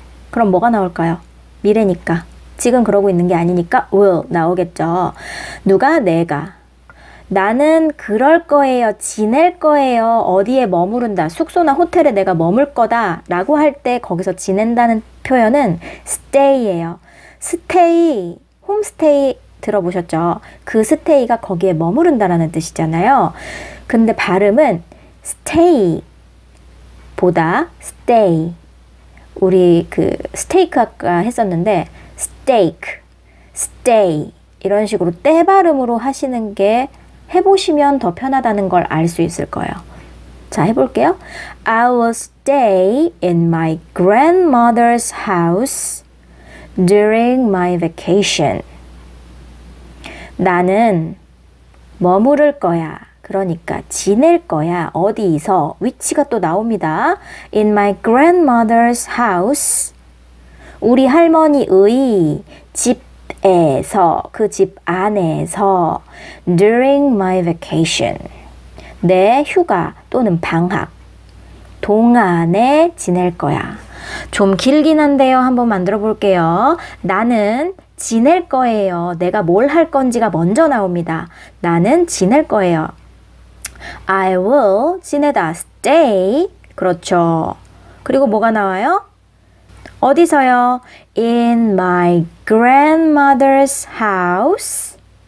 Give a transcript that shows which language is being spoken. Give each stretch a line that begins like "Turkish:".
Korean: 그럼 뭐가 나올까요? 미래니까. 지금 그러고 있는 게 아니니까 will 나오겠죠. 누가? 내가. 나는 그럴 거예요. 지낼 거예요. 어디에 머무른다. 숙소나 호텔에 내가 머물 거다라고 할때 거기서 지낸다는 표현은 stay예요. stay, homestay 들어보셨죠? 그 stay가 거기에 머무른다라는 뜻이잖아요. 근데 발음은 stay 보다 stay. 우리 그 스테이크 아까 했었는데 steak, stay 이런 식으로 떼 발음으로 하시는 게 해보시면 더 편하다는 걸알수 있을 거예요. 자, 해볼게요.
English: I will stay in my grandmother's house during my vacation.
Korean: 나는 머무를 거야. 그러니까 지낼 거야. 어디서? 위치가 또 나옵니다.
English: In my grandmother's house.
Korean: 우리 할머니의 집에서, 그집 안에서,
English: during my vacation.
Korean: 내 휴가 또는 방학 동안에 지낼 거야. 좀 길긴 한데요. 한번 만들어 볼게요. 나는 지낼 거예요. 내가 뭘할 건지가 먼저 나옵니다. 나는 지낼 거예요. I will 지내다 stay. 그렇죠. 그리고 뭐가 나와요? 어디서요?
English: In my grandmother's house.